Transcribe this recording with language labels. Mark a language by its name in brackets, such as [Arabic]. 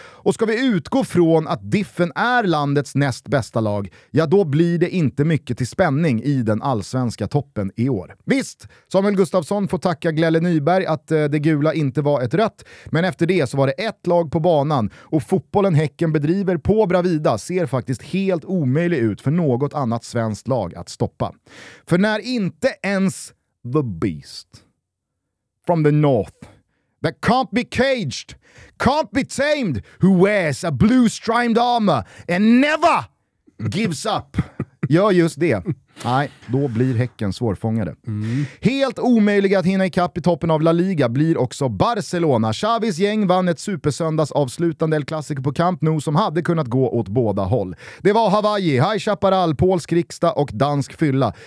[Swedish] Och ska vi utgå från att Diffen är landets näst bästa lag, ja då blir det inte mycket till spänning i den allsvenska toppen i år. Visst, Samuel Gustafsson får tacka Glelle Nyberg att det gula inte var ett rött, men efter det så var det ett lag på banan och fotbollen Häcken bedriver på Bravida ser faktiskt helt omöjlig ut för något annat svenskt lag att stoppa. För när inte ens [English] The Beast from the North that can't be caged, can't be tamed, who wears a blue striped armor and never gives up. [Swedish] Gör just det. Nej, då blir Häcken svårfångade. Mm. Helt omöjligt att hinna ikapp i toppen av La Liga blir också Barcelona. Xavis gäng vann ett supersöndags avslutande El Clásico på Camp Nou som hade kunnat gå åt båda håll. Det var Hawaii, High Chaparral, polsk riksdag och dansk fylla.